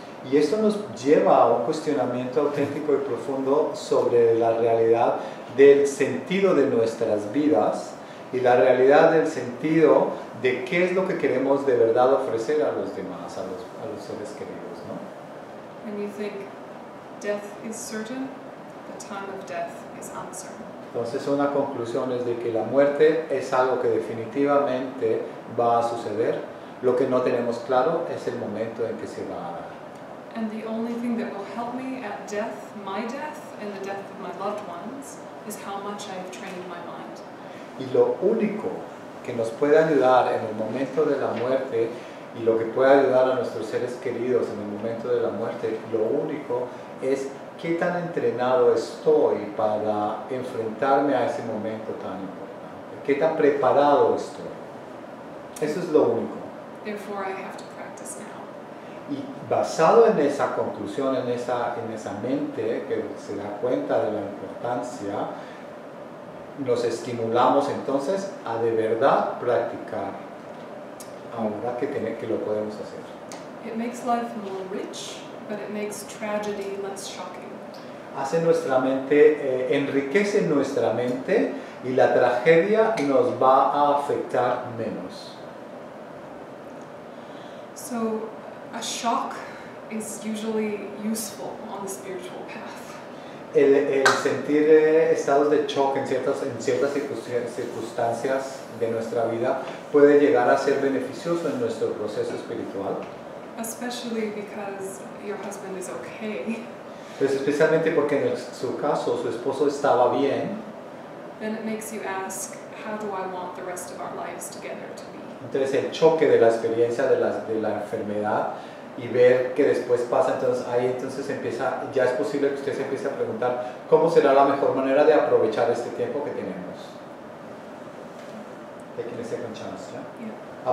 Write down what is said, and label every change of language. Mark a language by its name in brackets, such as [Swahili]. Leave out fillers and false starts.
[Spanish] Y esto nos lleva a un cuestionamiento auténtico y profundo sobre la realidad del sentido de nuestras vidas y la realidad del sentido de qué es lo que queremos de verdad ofrecer a los demás, a los seres queridos, ¿no? [English] And you think death is certain, the time of death is uncertain. [Spanish] Entonces una conclusión es de que la muerte es algo que definitivamente va a suceder. Lo que no tenemos claro es el momento en que se va a dar. [English] And the only thing that will help me at death, my death, and the death of my loved ones, is how much I have trained my mind. [Spanish] Y lo único que nos puede ayudar en el momento de la muerte, y lo que puede ayudar a nuestros seres queridos en el momento de la muerte, lo único es qué tan entrenado estoy para enfrentarme a ese momento tan importante. Qué tan preparado estoy. Eso es lo único. [English] Therefore, I have to practice now. [Spanish] Y basado en esa conclusión, en esa mente que se da cuenta de la importancia, nos estimulamos entonces a de verdad practicar ahora que lo podemos hacer. [English] It makes life more rich, but it makes tragedy less shocking. [Spanish] Hace nuestra mente, enriquece nuestra mente y la tragedia nos va a afectar menos. [English] So, a shock is usually useful on the spiritual path. [Spanish] El sentir estados de shock en ciertas circunstancias de nuestra vida puede llegar a ser beneficioso en nuestro proceso espiritual. [English] Especially because your husband is okay. [Spanish] Pues especialmente porque en su caso su esposo estaba bien. [English] Then it makes you ask, how do I want the rest of our lives together to be? [Spanish] Entonces el choque de la experiencia de la enfermedad y ver que después pasa, entonces ahí entonces empieza, ya es posible que usted se empiece a preguntar cómo será la mejor manera de aprovechar este tiempo que tenemos. [English] Taking a second chance, ¿ya? Yeah.